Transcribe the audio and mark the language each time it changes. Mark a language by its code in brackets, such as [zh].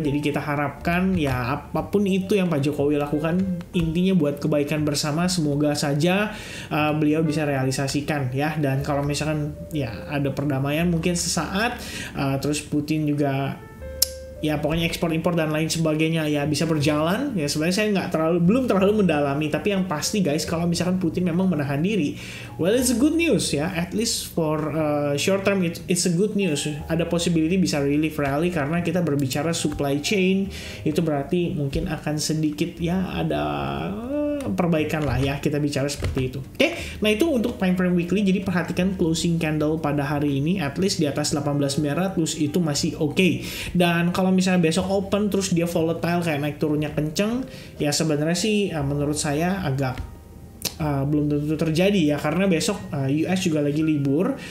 [id] Jadi kita harapkan ya apapun itu yang Pak Jokowi lakukan, intinya buat kebaikan bersama, semoga saja beliau bisa realisasikan ya. Dan kalau misalkan ya ada perdamaian mungkin sesaat, terus Putin juga ya pokoknya ekspor-impor dan lain sebagainya ya bisa berjalan. Ya sebenarnya saya belum terlalu mendalami. Tapi yang pasti guys, kalau misalkan Putin memang menahan diri, [en] well it's a good news [id] ya. [en] At least for short term it's a good news. [id] Ada possibility bisa relief rally karena kita berbicara supply chain. Itu berarti mungkin akan sedikit ya ada perbaikan lah ya, kita bicara seperti itu. Oke, nah itu untuk time frame weekly. Jadi perhatikan closing candle pada hari ini, at least di atas 18.900 itu masih oke. Dan kalau misalnya besok open terus dia volatile kayak naik turunnya kenceng, ya sebenarnya sih menurut saya agak belum tentu terjadi ya, karena besok US juga lagi libur.